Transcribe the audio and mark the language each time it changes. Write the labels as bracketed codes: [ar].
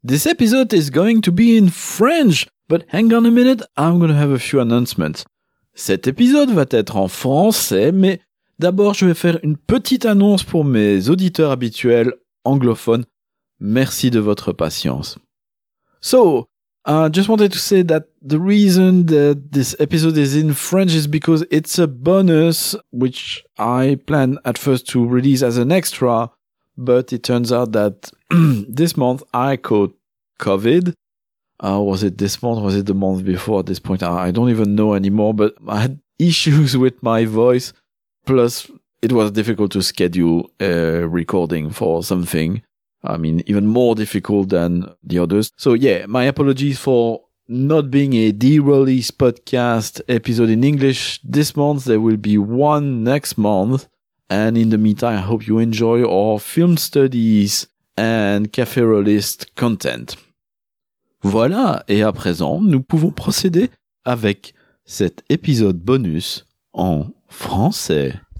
[en] This episode is going to be in French, but hang on a minute, I'm going to have a few announcements. [fr] Cet épisode va être en français, mais d'abord je vais faire une petite annonce pour mes auditeurs habituels anglophones. Merci de votre patience. [en] So, I just wanted to say that the reason that this episode is in French is because it's a bonus, which I plan at first to release as an extra. But it turns out that this month I caught COVID. Was it this month? Was it the month before at this point? I don't even know anymore, but I had issues with my voice. Plus, it was difficult to schedule a recording for something. I mean, even more difficult than the others. So yeah, my apologies for not being a de-release podcast episode in English this month. There will be one next month. And in the meantime, I hope you enjoy our film studies and café rollist content. [fr] Voilà, et à présent, nous pouvons procéder avec cet épisode bonus en français.